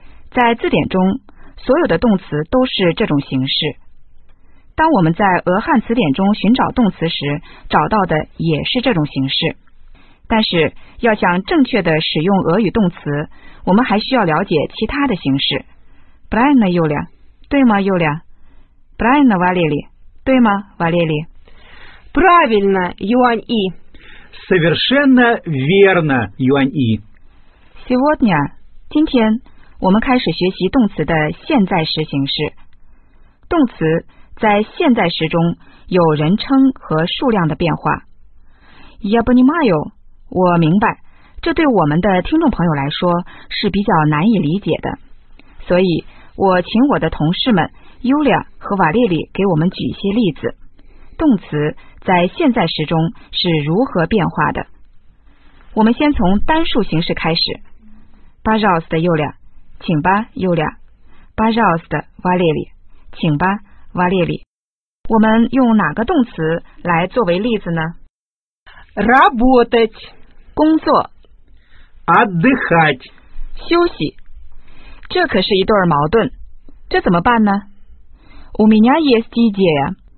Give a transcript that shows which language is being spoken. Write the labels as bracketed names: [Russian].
[Chinese] 在字典中，所有的动词都是这种形式。当我们在俄汉词典中寻找动词时，找到的也是这种形式。但是要想正确的使用俄语动词，我们还需要了解其他的形式。 [Russian] Правильно, Юля? [Chinese] 对吗, [Russian] Юля? Правильно, Валерий? 对吗, Валерий? Правильно, Юань И. Совершенно верно, Юань И. Сегодня, [Chinese] 今天我们开始学习动词的现在时形式。动词在现在时中有人称和数量的变化。 [Russian] Я понимаю, [Chinese] 我明白，这对我们的听众朋友来说是比较难以理解的。所以我请我的同事们 Юля 和瓦丽丽给我们举一些例子。动词在现在时中是如何变化的？我们先从单数形式开始。 [Russian] Пожалуйста, Юля, [Chinese] 请吧 [Russian] ，Юля. Пожалуйста, Валерий, 请吧 ，Валерий. [Chinese] 我们用哪个动词来作为例子呢 [Russian] ？Работать, [Chinese] 工作。 [Russian] Отдыхать, [Chinese] 休息。这可是一对矛盾，这怎么办呢 ？ [Russian] У меня есть идея.